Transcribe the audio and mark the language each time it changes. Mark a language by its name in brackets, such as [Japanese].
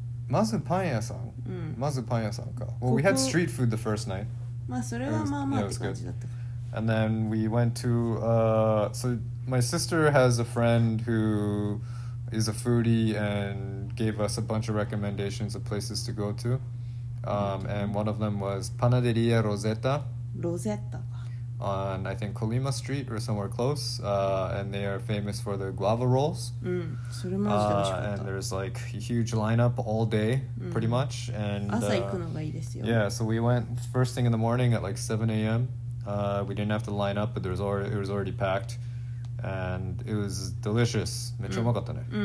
[Japanese] まずパン屋さん、まずパン屋さんか。 [English] Well, ここ we had street food the first night. [Japanese] まあそれはまあまあ [English] was, [Japanese] って感じだった。 [English] And then we went to so my sister has a friend who is a foodie and gave us a bunch of recommendations of places to go to. And one of them was Panaderia Rosetta. Rosetta. On I think Colima Street or somewhere close. And they are famous for their guava rolls. [Japanese] それも美味しかった。 [English] And there's like a huge lineup all day, pretty much. And [Japanese] 朝行くのがいいですよ。 [English] Yeah, so we went first thing in the morning at like 7 a.m. We didn't have to line up, but it was already packed. And it was delicious. [Japanese] めっちゃうまかったね。